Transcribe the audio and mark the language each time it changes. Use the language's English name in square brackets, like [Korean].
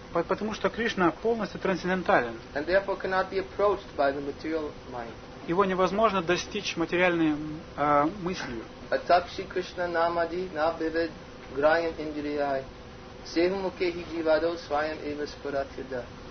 [Russian] Потому что Кришна полностью трансцендентален. [English] And therefore cannot be approached by the material mind. [Russian] Его невозможно достичь материальной мыслью. [Sanskrit] Атакши Кришна намади набивед граям индрияй севмукехи дживадо свайам ива спаратхида.